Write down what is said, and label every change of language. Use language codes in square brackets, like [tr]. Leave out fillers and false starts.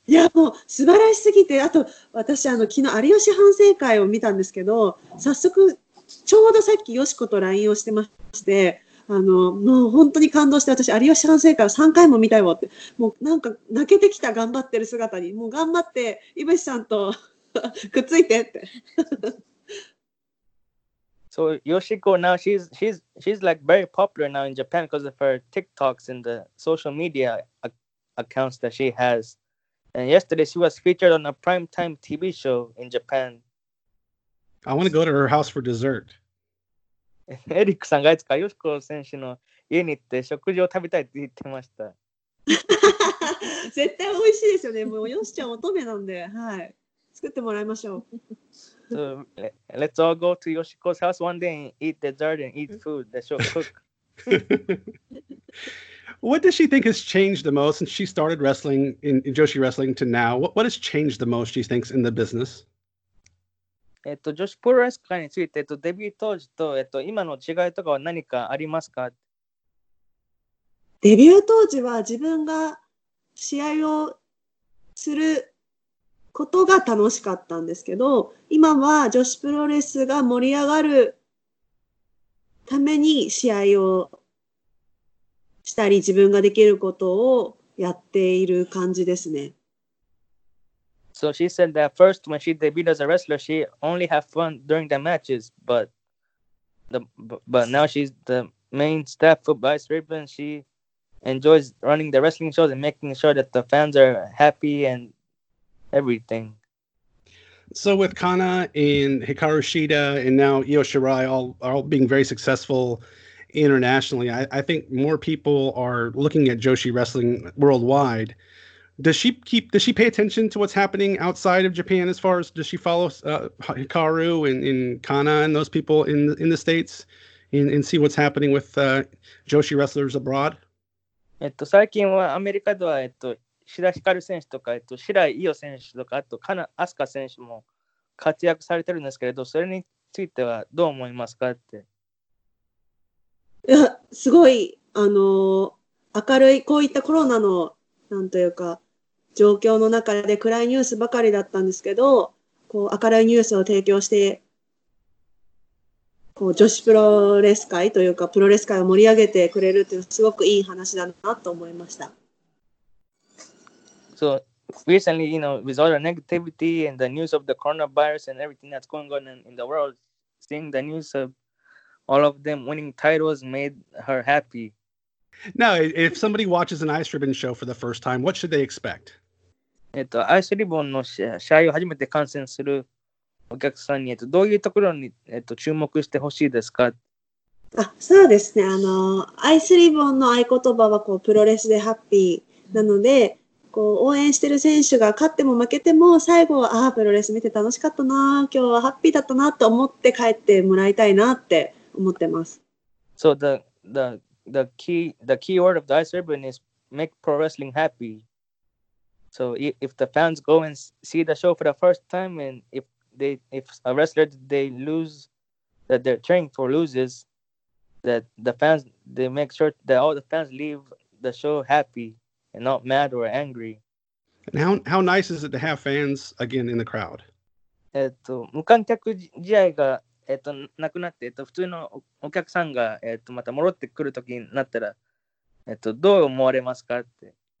[ja] いやもう素晴らしすぎて、あと私あの昨日有吉反省会を見たんですけど、早速ちょうどさっき [en] Yoshiko [ja] と LINE をしてまして、あのもう本当に感動して、私有吉反省会を3回も見たよって、もうなんか泣けてきた、頑張ってる姿に。もう頑張って井渕さんとくっついてって。 [en] So Yoshiko now she's like very popular now in Japan because of her TikToks and the social media accounts that she has, and yesterday she was featured on a primetime TV show in Japan. I want to go to her house for dessert [ja] エリックさんがいつかヨシコ選手の家に行って食事を食べたいって言ってました。絶対美味しいですよね。もうヨシちゃん乙女なんで、はい、作ってもらいましょう。 [en] So, let's all go to Yoshiko's house one day and eat dessert and eat food that she'll cook. What does she think has changed the most since she started wrestling in Joshi wrestling to now? What has changed the most, she thinks, in the business? [ja] Joshi Pro Wrestling についてデビュー当時と今の違いとかは何かありますか？デビュー当時は自分が試合をすることが楽しかったんですけど、今は女子プロレスが盛り上がるために試合をしたり、自分ができることをやっている感じですね。 [en] So she said that first when she debuted as a wrestler, she only had fun during the matches, but now she's the main staff for Vice Ribbon. She enjoys running the wrestling shows and making sure that the fans are happy and everything. So with Kana and Hikaru Shida and now Io Shirai all being very successful internationally, I think more people are looking at Joshi wrestling worldwide. Does she pay attention to what's happening outside of Japan? As far as does she follow Hikaru and Kana and those people in the States and see what's happening with Joshi wrestlers abroad? [ja] 最近はアメリカでは志田ひかる選手とか白井伊代選手とかあとカナアスカ選手も活躍されてるんですけれど、それについてはどう思いますかって。いや、すごい明るい、こういったコロナのなんというか状況の中で暗いニュースばかりだったんですけど、こう明るいニュースを提供して、こう女子プロレス界というかプロレス界を盛り上げてくれるっていうすごくいい話だなと思いました。 [en] So recently, you know, with all the negativity and the news of the coronavirus and everything that's going on in the world, seeing the news of all of them winning titles made her happy. Now, if somebody watches an Ice Ribbon show for the first time, what should they expect? [ja] Ice Ribbon の試合を初めて観戦するお客さんにどういうところに注目してほしいですか？そうですね。 Ice Ribbon の合言葉はこうプロレスでハッピーなので、こう応援してる選手が勝っても負けても最後はプロレス見て楽しかったな、今日はハッピーだったなと思って帰ってもらいたいなって思ってます。 [en] So the key word of the Ice Ribbon is make pro wrestling happy. So if the fans go and see the show for the first time and if a wrestler they lose that they're cheering for loses, that the fans they make sure that all the fans leave the show happy and not mad or angry. And how nice is it to have fans again in the crowd? [ja] 無観客試合がなくなって普通のお客さんがまた戻ってくる時になったらどう思われますかって。